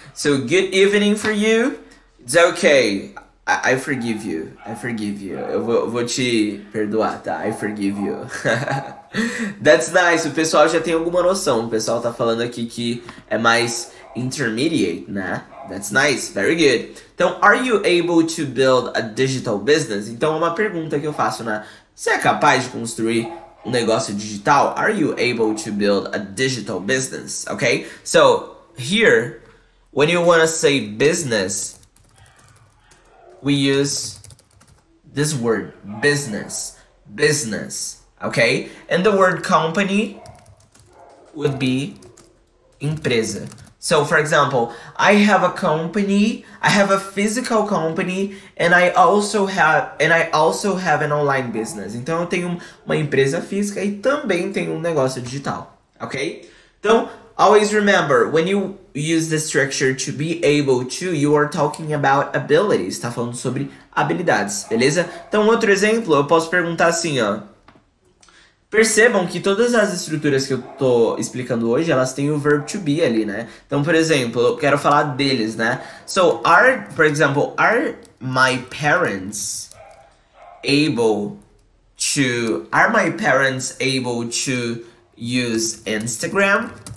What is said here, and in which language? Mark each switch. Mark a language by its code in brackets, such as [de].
[en] So, good evening for you. It's okay. I forgive you. I forgive you. [pt] Eu vou te perdoar, tá? [en] I forgive you. That's nice. [pt] O pessoal já tem alguma noção. O pessoal tá falando aqui que é mais intermediate, né? [en] That's nice, very good. [pt] Então, [en] are you able to build a digital business? [pt] Então, uma pergunta que eu faço, né? Você é capaz de construir um negócio digital? [en] Are you able to build a digital business? Okay? So, here, when you want to say business, we use this word, business. Business, okay? And the word company would be empresa. So, for example, I have a company, I have a physical company, and I also have an online business. [pt] Então, eu tenho uma empresa física e também tenho um negócio digital, ok? Então, [en] always remember, when you use the structure to be able to, you are talking about abilities. [pt] Tá falando sobre habilidades, beleza? Então, outro exemplo, eu posso perguntar assim, ó. Percebam que todas as estruturas que eu tô explicando hoje, elas têm o verbo to be ali, né? Então, por exemplo, eu quero falar deles, né? [en] So, for example, are my parents able to, are my parents able to use Instagram?